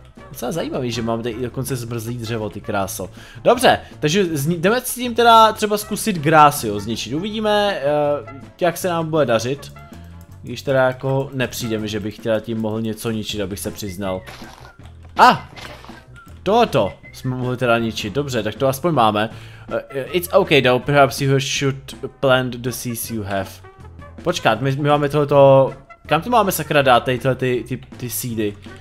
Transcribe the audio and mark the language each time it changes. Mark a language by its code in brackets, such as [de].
[cs] Docela zajímavý, že mám tady dokonce zmrzlý dřevo, ty kráso. Dobře, takže jdeme s tím teda třeba zkusit grás, jo, zničit. Uvidíme, jak se nám bude dařit. Když teda jako nepřijde mi, že bych teda tím mohl něco ničit, abych se přiznal. A! Tohoto jsme mohli teda ničit, dobře, tak to aspoň máme. [en] It's okay though, perhaps you should plant the seeds you have. [cs] Počkat, my máme tohoto... Kam to máme sakra dát, tady tyhle ty seedy?